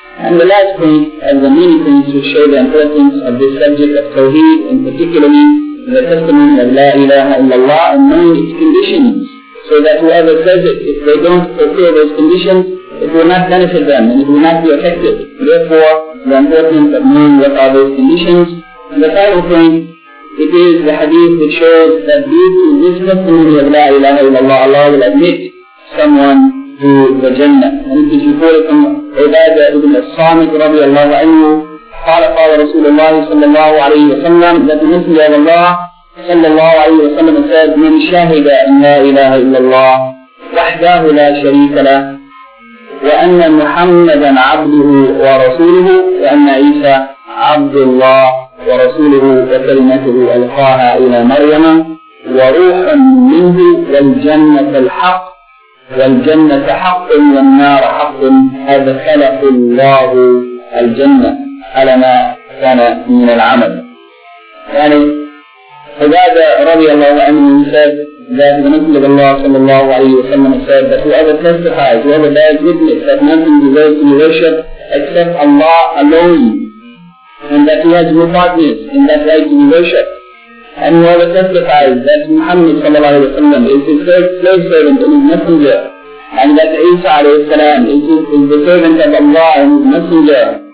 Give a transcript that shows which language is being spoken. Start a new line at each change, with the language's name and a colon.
English: And the last point, and the many points which show the importance of this subject of tawheed, and particularly the testimony of La ilaha illallah, and knowing its conditions, so that whoever says it, if they don't fulfill those conditions, it will not benefit them and it will not be effective. Therefore, the importance of knowing what are those conditions. And the final point, it is the hadith which shows that due to this testimony of La ilaha illallah, Allah will admit someone to the Jannah. And it is reported from Ubadah ibn As-Samit radiallahu anhu,
Arabic: قال رسول الله صلى الله عليه وسلم
English: that the Messenger of Allah
Arabic: صلى الله عليه وسلم said, من شهد أن لا إله إلا الله وحده لا شريك له وأن محمدا عبده ورسوله وأن عيسى عبد الله ورسوله وكلمته ألقاها إلى مريم وروحا منه والجنة الحق والجنة حق والنار حق أدخله الله الجنة على ما كان من العمل. يعني فبعد رضي الله عنه من
English: said that the Messenger of Allah صلى الله عليه وسلم said that whoever testifies, whoever bears witness that nothing deserves to be worshipped except Allah alone, and that he has no partners in that right to be worshipped, and whoever testifies that Muhammad صلى الله عليه وسلم is his slave servant and his messenger, and that Isa عليه السلام is the servant of Allah and his messenger,